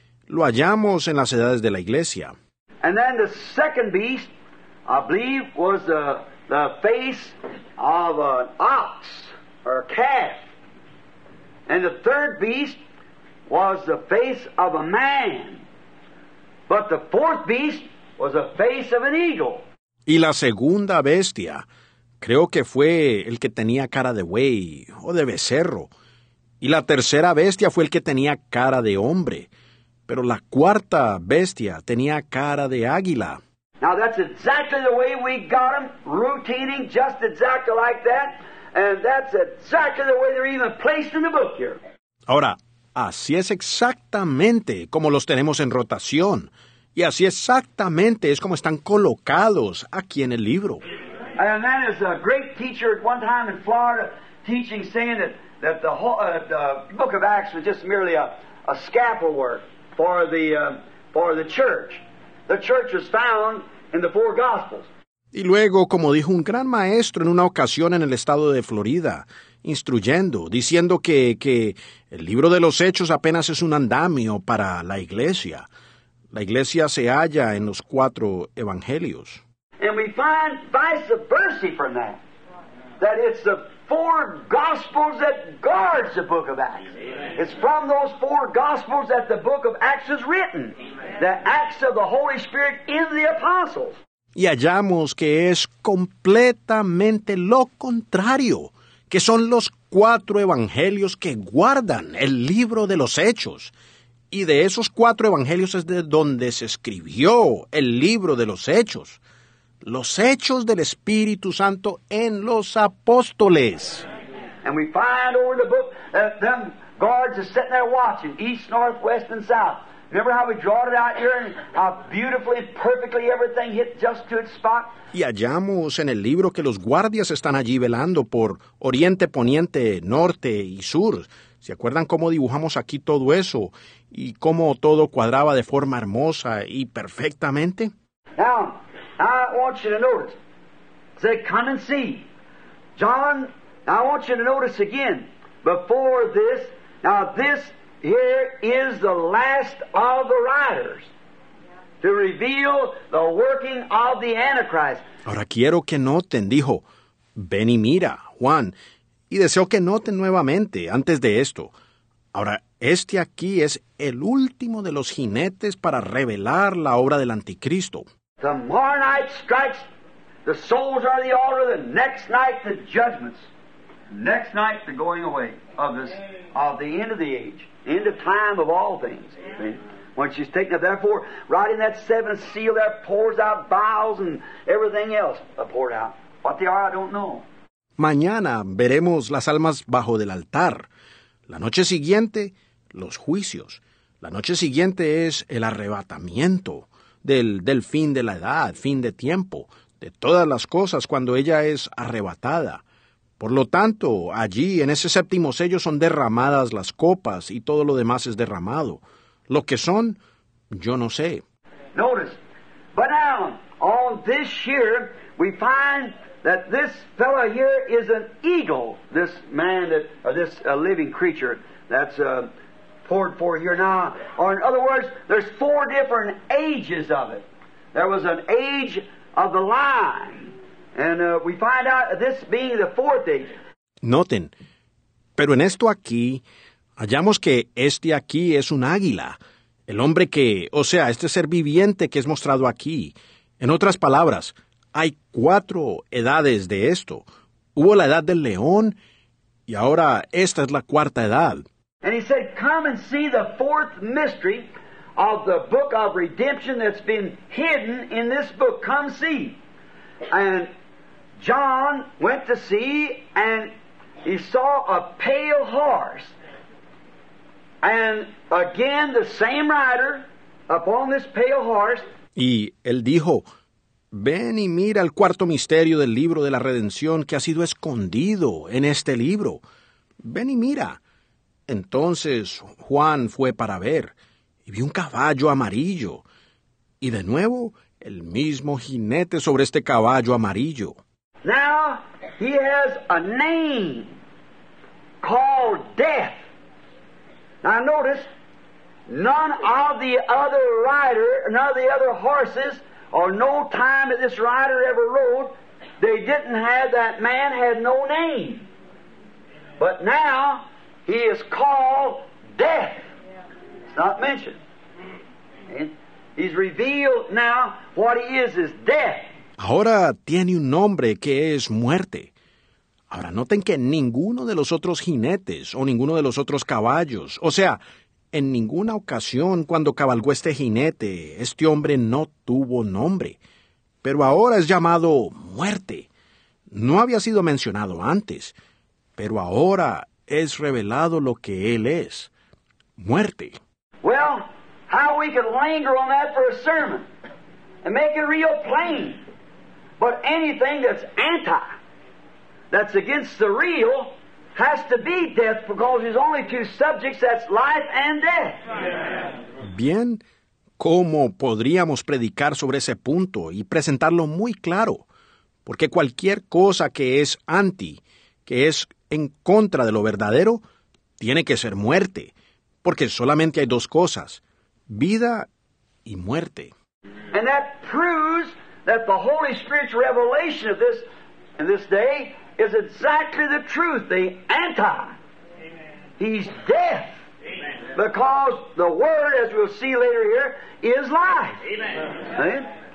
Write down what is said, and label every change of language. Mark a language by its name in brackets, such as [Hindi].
[Spanish] Lo hallamos en las edades de la iglesia. [English] And then the second beast, I believe, was the face of an ox or a calf. And the third beast was the face of a man. But the fourth beast was the face of an eagle. [Spanish] Y la segunda bestia, creo que fue el que tenía cara de buey o de becerro. Y la tercera bestia fue el que tenía cara de hombre. Pero la cuarta bestia tenía cara de águila. [English] Now that's exactly the way we got them, routining just exactly like that. And that's exactly the way they're even placed in the book here. [Spanish] Ahora, así es exactamente como los tenemos en rotación. Y así exactamente es como están colocados aquí en el libro. [English] And that is a great teacher at one time in Florida teaching, saying that the whole the book of Acts was just merely a scaffold work for the church. The church was found in the four gospels. [Spanish] Y luego, como dijo un gran maestro en una ocasión en el estado de Florida, instruyendo, diciendo que el libro de los Hechos apenas es un andamio para la iglesia. La iglesia se halla en los cuatro evangelios. [English] And we find vice versa from that. That it's the four gospels that guards the book of Acts. Amen. It's from those four gospels that the book of Acts is written. Amen. The Acts of the Holy Spirit in the apostles. [Spanish] Y hallamos que es completamente lo contrario, que son los cuatro evangelios que guardan el libro de los Hechos. Y de esos cuatro evangelios es de donde se escribió el libro de los Hechos. Los Hechos del Espíritu Santo en los apóstoles. [English] And we find over the book that them guards are sitting there watching, east, north, west, and south. Remember how we draw it out here and how beautifully, perfectly everything hit just to its spot? [Spanish] Y hallamos en el libro que los guardias están allí velando por oriente, poniente, norte y sur. ¿Se acuerdan cómo dibujamos aquí todo eso? ¿Y cómo todo cuadraba de forma hermosa y perfectamente? [English] Now, I want you to notice. Say, come and see. John, I want you to notice again. Before this, now this here is the last of the writers to reveal the working of the Antichrist. [Spanish] Ahora quiero que noten, dijo, ven y mira, Juan. Y deseo que noten nuevamente antes de esto. Ahora, este aquí es el último de los jinetes para revelar la obra del anticristo. [English] Tomorrow night strikes, the souls are the order, the next night the judgments. Next night the going away of the end of the age, end of time of all things. When she's taken up, therefore, right in that seventh seal there pours out vials and everything else poured out. What they are, I don't know. [Spanish] Mañana veremos las almas bajo del altar. La noche siguiente, los juicios. La noche siguiente es el arrebatamiento del fin de la edad, fin de tiempo, de todas las cosas cuando ella es arrebatada. Por lo tanto, allí, en ese séptimo sello, son derramadas las copas y todo lo demás es derramado. Lo que son, yo no sé. [English] Notice, but now, on this year, we find that this fellow here is an eagle, this man, that, or this living creature that's poured forth here now. Or in other words, there's four different ages of it. There was an age of the lion. And we find out this being the fourth age. [Spanish] Noten, pero en esto aquí, hallamos que este aquí es un águila, el hombre que, o sea, este ser viviente que es mostrado aquí. En otras palabras, hay cuatro edades de esto. Hubo la edad del león, y ahora esta es la cuarta edad. [English] And he said, come and see the fourth mystery of the book of redemption that's been hidden in this book. Come see. And John went to see, and he saw a pale horse. And again, the same rider upon this pale horse. [Spanish] Y él dijo, ven y mira el cuarto misterio del libro de la redención que ha sido escondido en este libro. Ven y mira. Entonces Juan fue para ver, y vio un caballo amarillo. Y de nuevo, el mismo jinete sobre este caballo amarillo. [English] Now he has a name called Death. Now notice, none of the other rider, none of the other horses, or no time that this rider ever rode, they didn't have, that man had no name. But now he is called Death. It's not mentioned. He's revealed now what he is Death. [Spanish] Ahora tiene un nombre que es Muerte. Ahora noten que ninguno de los otros jinetes o ninguno de los otros caballos, o sea, en ninguna ocasión cuando cabalgó este jinete, este hombre no tuvo nombre. Pero ahora es llamado Muerte. No había sido mencionado antes, pero ahora es revelado lo que él es. Muerte. [English] Well, how we could linger on that for a sermon and make it real plain. But anything that's anti, that's against the real, has to be death, because there's only two subjects, that's life and death. [Spanish] Bien, ¿cómo podríamos predicar sobre ese punto y presentarlo muy claro? Porque cualquier cosa que es anti, que es en contra de lo verdadero, tiene que ser muerte, porque solamente hay dos cosas, vida y muerte. [English] And that proves that the Holy Spirit's revelation of this in this day is exactly the truth, the anti. Amen. He's death. Amen. Because the Word, as we'll see later here, is life. Amen. Amen.